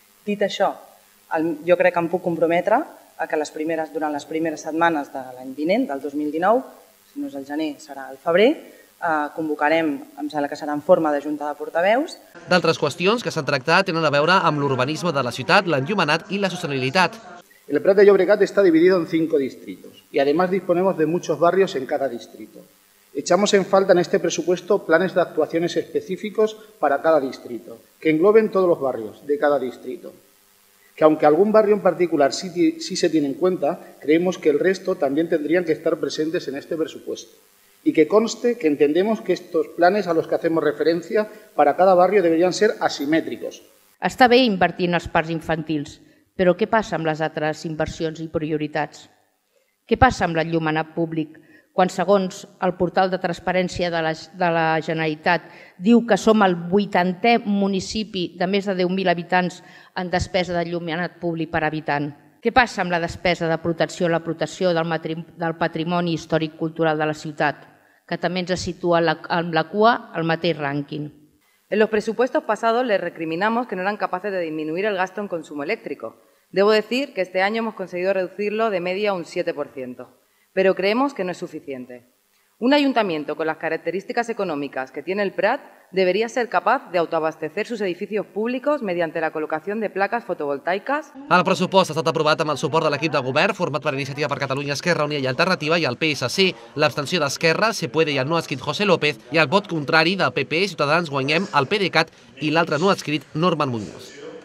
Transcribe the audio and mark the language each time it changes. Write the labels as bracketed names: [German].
[Catalan] Dit això, jo crec que em puc comprometre a que durant les primeres setmanes de l'any vinent, del 2019, si no és el gener, serà el febrer, convocarem, em sembla que serà en forma de junta de portaveus. D'altres qüestions que s'han tractat tenen a veure amb l'urbanisme de la ciutat, l'enllumenat i la sostenibilitat. [Spanish] El Prat de Llobregat está dividido en 5 distritos y además disponemos de muchos barrios en cada distrito. Echamos en falta en este presupuesto planes de actuaciones específicos para cada distrito, que engloben todos los barrios de cada distrito. Que aunque algún barrio en particular sí se tiene en cuenta, creemos que el resto también tendrían que estar presentes en este presupuesto. Y que conste que entendemos que estos planes a los que hacemos referencia para cada barrio deberían ser asimétricos. [Catalan] Està bé invertir en els parcs infantils, però què passa amb les altres inversions i prioritats? Què passa amb l'enllumenat públic quan, segons el portal de transparència de la Generalitat, diu que som el 80è municipi de més de 10.000 habitants en despesa d'enllumenat públic per habitant? Què passa amb la despesa de protecció, la protecció del patrimoni històric cultural de la ciutat, que també ens situa amb la cua al mateix rànquing? [Spanish] En los presupuestos pasados les recriminamos que no eran capaces de disminuir el gasto en consumo eléctrico. Debo decir que este año hemos conseguido reducirlo de media un 7%, pero creemos que no es suficiente. Un ayuntamiento con las características económicas que tiene el Prat debería ser capaz de autoabastecer sus edificios públicos mediante la colocación de placas fotovoltaicas. [Catalan] El pressupost ha estat aprovat amb el suport de l'equip de govern format per Iniciativa per Catalunya, Esquerra Unida i Alternativa i el PSC, l'abstenció d'Esquerra, Se Puede i el no escrit José López i el vot contrari del PP, Ciutadans, Guanyem, el PDeCAT i l'altre no escrit, Norman Muñoz.